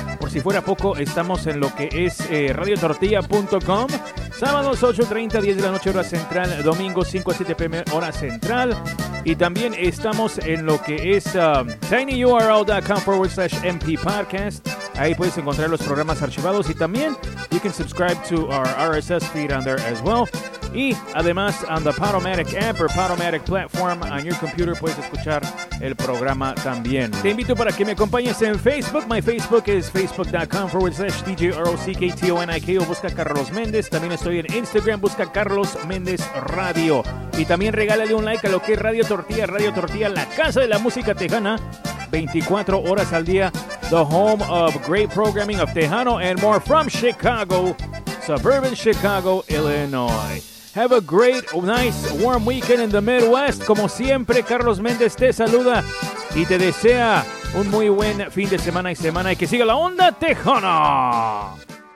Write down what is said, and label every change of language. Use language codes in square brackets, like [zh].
[es] Por si fuera poco, estamos en lo que es radiotortilla.com. Sábados 8:30, 10 de la noche, hora central. Domingo 5 a 7 p.m., hora central. Y también estamos en lo que es tinyurl.com/mppodcast. Ahí puedes encontrar los programas archivados. [en] Y también, you can subscribe to our RSS feed on there as well. Y además, on the Podomatic app or Podomatic platform on your computer, puedes escuchar el programa también. [es] Te invito para que me acompañes en Facebook. [en] My Facebook is facebook.com/DJROCKTONIKO. [es] Busca Carlos Méndez. También estoy en Instagram. Busca Carlos Méndez Radio. Y también regálale un like a lo que es Radio Tortilla. Radio Tortilla, la casa de la música tejana. 24 horas al día. [en] The home of great programming of Tejano and more from Chicago, suburban Chicago, Illinois. Have a great, nice, warm weekend in the Midwest. [es] Como siempre, Carlos Méndez te saluda y te desea un muy buen fin de semana y que siga la onda Tejano.